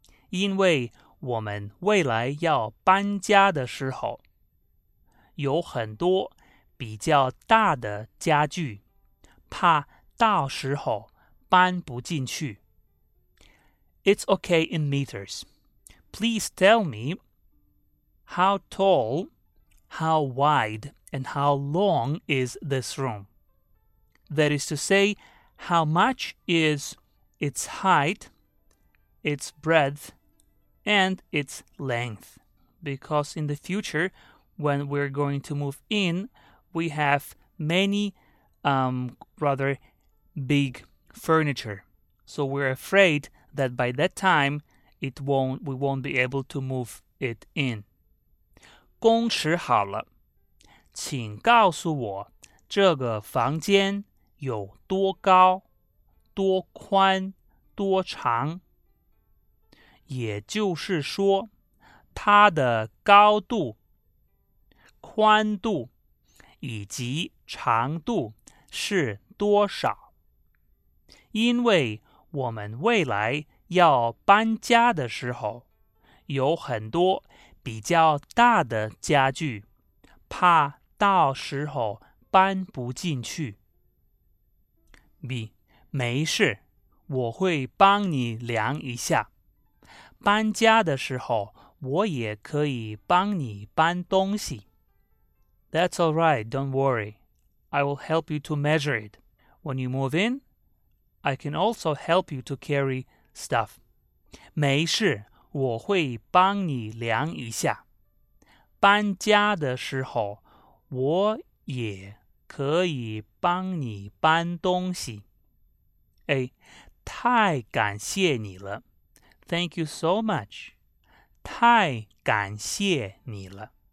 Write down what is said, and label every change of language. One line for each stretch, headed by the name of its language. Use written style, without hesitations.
Chinese: 因为我们未来要搬家的时候，有很多比较大的家具，怕到时候搬不进去。
English: It's okay in meters. Please tell me how tall, how wide, and how long is this room? That is to say, how much is its height, its breadth, and its length? Because in the future, when we're going to move in, we have many, rather big furniture. So we're afraid that by that time, we won't be able to move it in.
Chinese: 公尺好了，请告诉我这个房间有多高、多宽、多长。也就是说，它的高度、宽度以及长度是多少？因为我们未来要搬家的时候，有很多比较大的家具，怕到时候搬不进去。 B， 没事，我会帮你量一下。搬家的时候，我也可以帮你搬东西。
English: That's all right, don't worry. I will help you to measure it. When you move in, I can also help you to carry stuff.
Chinese: 没事，我会帮你量一下。搬家的时候，我也可以帮你搬东西。
English: A，
Chinese: 太感谢你了。
English: Thank you so much.
Chinese: 太感谢你了。